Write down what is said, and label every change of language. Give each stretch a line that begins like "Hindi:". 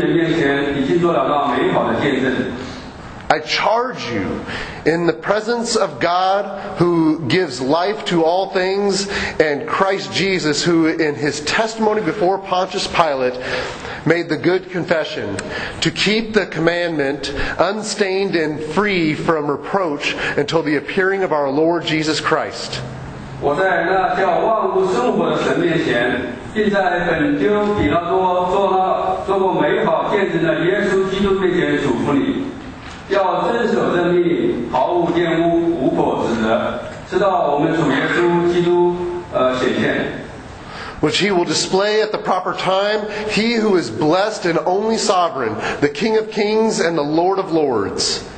Chinese: 你要为真道打那美好的仗，死地永生，以为死被招，也在许多见证人面前已经做了那美好的见证。
English: I charge you, in the presence of God who gives life to all things, and Christ Jesus who in his testimony before Pontius Pilate made the good confession, to keep the commandment unstained and free from reproach until the appearing of our Lord Jesus Christ.
Chinese: 我在那叫万物生活的神面前，并在本丢比拉多做过美好见证的耶稣基督面前嘱咐你。要遵守真理，毫无玷污，无口指责，直到我们主耶稣基督显现。
English: Which he will display at the proper time, he who is blessed and only sovereign, the King of kings and the Lord of lords.